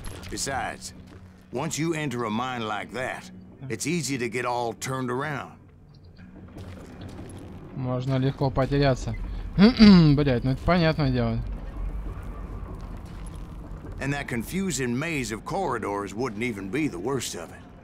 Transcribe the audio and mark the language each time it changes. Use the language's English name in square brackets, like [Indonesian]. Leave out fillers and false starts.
[English] Besides, once you enter a mine like that, it's easy to get all turned around. [Russian] Можно легко потеряться. Блять, ну это понятное дело. [English] And that confusing maze of corridors wouldn't even be the worst of it.